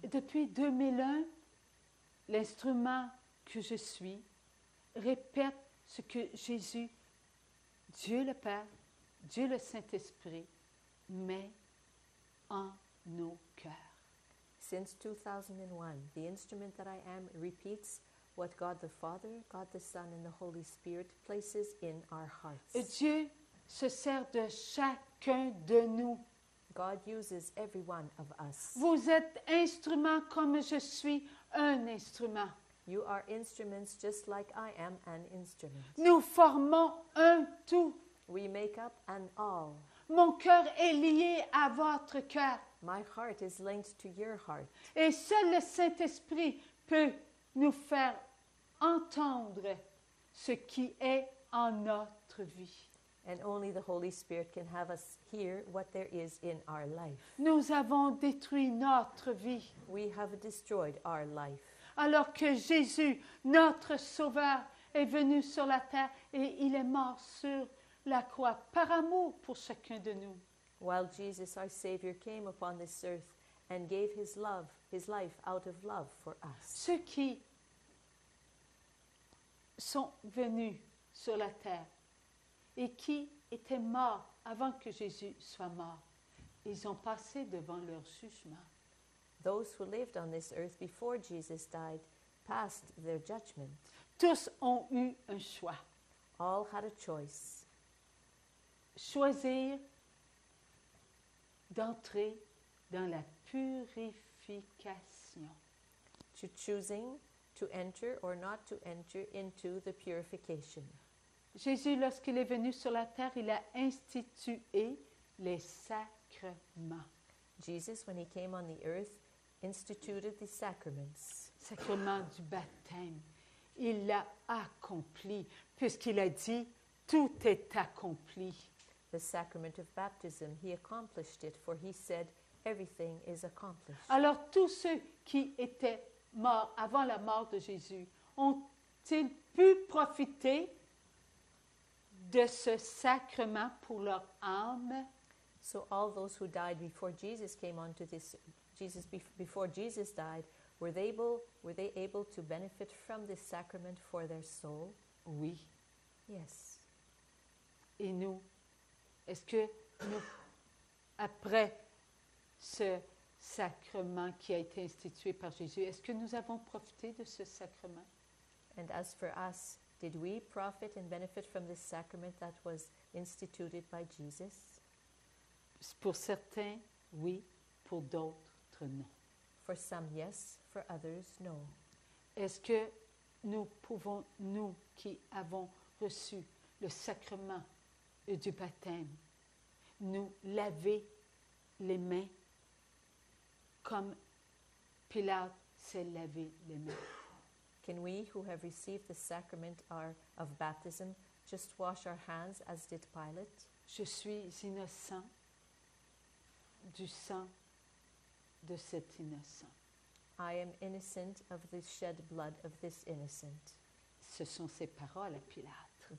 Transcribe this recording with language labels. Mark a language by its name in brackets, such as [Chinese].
[French] Depuis 2001, l'instrument que je suis répète ce que Jésus, Dieu le Père, Dieu le Saint-Esprit, mais en nos cœurs. [English] Since 2001, the instrument that I am repeats what God the Father, God the Son, and the Holy Spirit places in our hearts. [French] Et Dieu se sert de chacun de nous. [English] God uses every one of us. [French] Vous êtes instrument comme je suis un instrument. [English] You are instruments just like I am an instrument. [French] Nous formons un tout. [English] We make up an all. [French] Mon cœur est lié à votre cœur. [English] My heart is linked to your heart. [French] Et seul le Saint-Esprit peut nous faire entendre ce qui est en notre vie. [English] And only the Holy Spirit can have us hear what there is in our life. [French] Nous avons détruit notre vie. [English] We have destroyed our life. [French] Alors que Jésus, notre Sauveur, est venu sur la terre et il est mort sur la croix par amour pour chacun de nous. [English] While Jesus, our Savior, came upon this earth and gave his love, his life out of love for us. [French] Ceux qui sont venus sur la terre et qui étaient morts avant que Jésus soit mort, ils ont passé devant leur jugement. [English] Those who lived on this earth before Jesus died passed their judgment. [French] Tous ont eu un choix. [English] All had a choice. [French] Choisir d'entrer dans la purification. [English] To choosing to enter or not to enter into the purification. [French] Jésus, lorsqu'il est venu sur la terre, il a institué les sacrements. [English] Jesus, when he came on the earth, instituted the sacraments. [French] Sacrement du baptême. Il l'a accompli puisqu'il a dit tout est accompli. [English] The sacrament of baptism, he accomplished it for he said everything is accomplished. [French] Alors tous ceux qui étaient morts avant la mort de Jésus ont-ils pu profiter de ce sacrement pour leur âme? [English] So all those who died before Jesus came onto this Jesus, before Jesus died, were they able to benefit from this sacrament for their soul? [French] Oui. [English] Yes. [French] Et nous, est-ce que nous, après ce sacrement qui a été institué par Jésus, est-ce que nous avons profité de ce sacrement? [English] And as for us, did we profit and benefit from this sacrament that was instituted by Jesus? [French] Pour certains, oui. Pour d'autres, non. [English] For some, yes. For others, no. [French] Est-ce que nous pouvons, nous qui avons reçu le sacrement du baptême, nous laver les mains comme Pilate s'est lavé les mains. [English] Can we who have received the sacrament of baptism just wash our hands as did Pilate? [French] Je suis innocent du sang de cet innocent. [English] I am innocent of the shed blood of this innocent. [French] Ce sont ses paroles à Pilate.